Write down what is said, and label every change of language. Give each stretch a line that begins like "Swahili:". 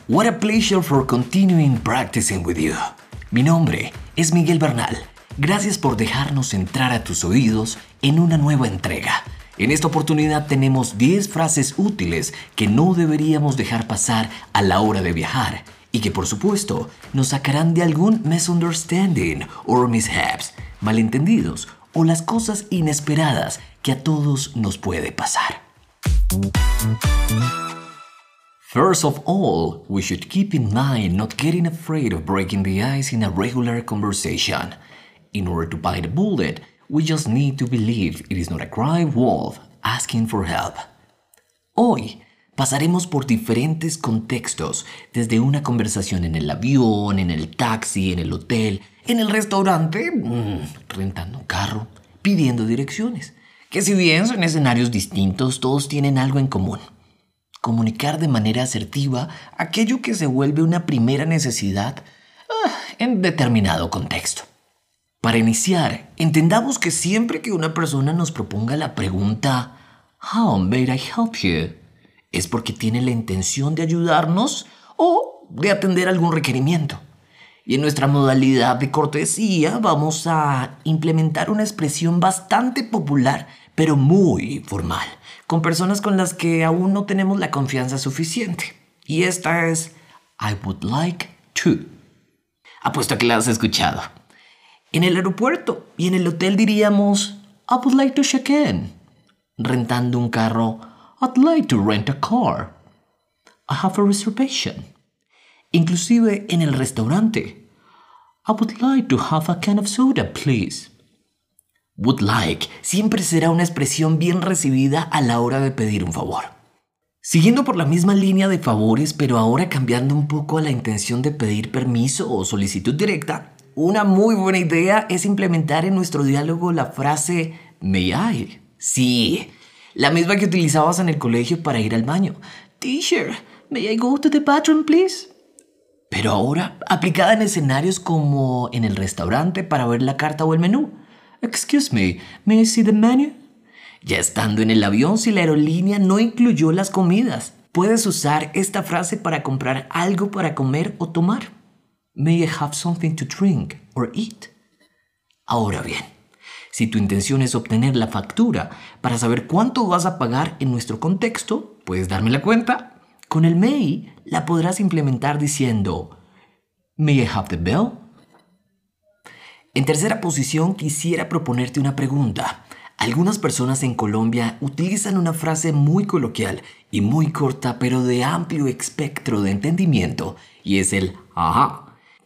English: What a pleasure for continuing practicing with you.
Spanish: Mi nombre es Miguel Bernal. Gracias por dejarnos entrar a tus oídos en una nueva entrega. En esta oportunidad tenemos 10 frases útiles que no deberíamos dejar pasar a la hora de viajar y que, por supuesto, nos sacarán de algún
English: misunderstanding or mishaps,
Spanish: malentendidos o las cosas inesperadas que a todos nos puede pasar.
English: First of all, we should keep in mind not getting afraid of breaking the ice in a regular conversation. In order to bite a bullet, we just need to believe it is not a cry wolf asking for help.
Spanish: Hoy, pasaremos por diferentes contextos, desde una conversación en el avión, en el taxi, en el hotel, en el restaurante, rentando un carro, pidiendo direcciones. Que si bien son escenarios distintos, todos tienen algo en común. Comunicar de manera asertiva aquello que se vuelve una primera necesidad en determinado contexto. Para iniciar, entendamos que siempre que una persona nos proponga la pregunta
English: How may I help you?
Spanish: Es porque tiene la intención de ayudarnos o de atender algún requerimiento. Y en nuestra modalidad de cortesía vamos a implementar una expresión bastante popular, pero muy formal, con personas con las que aún no tenemos la confianza suficiente. Y esta es,
English: I would like to.
Spanish: Apuesto a que la has escuchado. En el aeropuerto y en el hotel diríamos,
English: I would like to check in.
Spanish: Rentando un carro,
English: I'd like to rent a car. I have a reservation.
Spanish: Inclusive en el restaurante,
English: I would like to have a can of soda, please. Would like
Spanish: siempre será una expresión bien recibida a la hora de pedir un favor. Siguiendo por la misma línea de favores, pero ahora cambiando un poco a la intención de pedir permiso o solicitud directa, una muy buena idea es implementar en nuestro diálogo la frase
English: May I?
Spanish: Sí, la misma que utilizabas en el colegio para ir al baño.
English: Teacher, may I go to the bathroom, please?
Spanish: Pero ahora, aplicada en escenarios como en el restaurante para ver la carta o el menú.
English: Excuse me, may I see the menu?
Spanish: Ya estando en el avión, si la aerolínea no incluyó las comidas, puedes usar esta frase para comprar algo para comer o tomar.
English: May I have something to drink or eat?
Spanish: Ahora bien, si tu intención es obtener la factura para saber cuánto vas a pagar en nuestro contexto, puedes darme la cuenta. Con el may, la podrás implementar diciendo
English: May I have the bill?
Spanish: En tercera posición, quisiera proponerte una pregunta. Algunas personas en Colombia utilizan una frase muy coloquial y muy corta, pero de amplio espectro de entendimiento, y es el ajá.